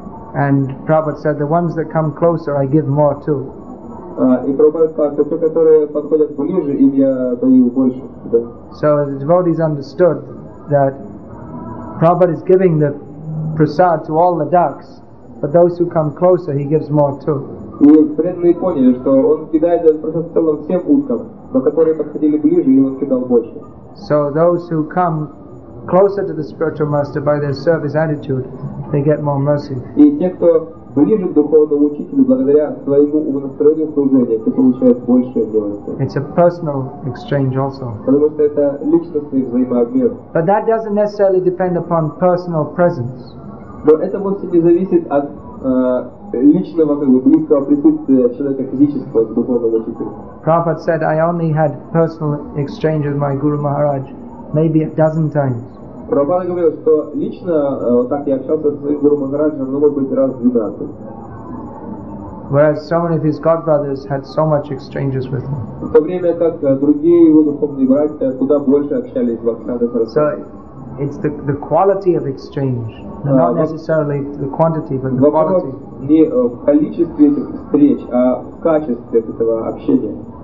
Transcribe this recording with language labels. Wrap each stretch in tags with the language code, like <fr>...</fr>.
<en>And Prabhupada said, the ones that come closer, I give more to. So the devotees understood that Prabhupada is giving the prasad to all the ducks, but those who come closer, he gives more to.</en> <ru>И преданные поняли, что он кидает этот процесс в целом всем уткам, но которые подходили ближе, и он кидал больше.</ru> <en>So those who come closer to the spiritual master by their service attitude, they get more mercy.</en> <ru>И те, кто ближе к духовному учителю, благодаря своему умонастроению служения, те получают больше милости.</ru> <en>It's a personal exchange also.</en> <ru>Потому что это личностный взаимообмен.</ru> <en>But that doesn't necessarily depend upon personal presence.</en> <ru>Но это вовсе не зависит от личного, как бы, близкого присутствия человека физического, духовного учителя.</ru> <en>Prabhupada said, I only had personal exchange with my Guru Maharaj maybe a dozen times.</en> <ru>Prabhupada говорил, что лично вот так я общался со своим Гуру Махараджем, ну, может быть, раз в 12.</ru> <en>Whereas so many of his god brothers had so much exchanges with him.</en> <ru>В то время как другие его духовные братья куда больше общались в Акшадасарасвати.</ru> <en>It's the quality of exchange, not necessarily the quantity, but the quality.</en> <ru>Не в количестве этих встреч, а в качестве этого общения.</ru>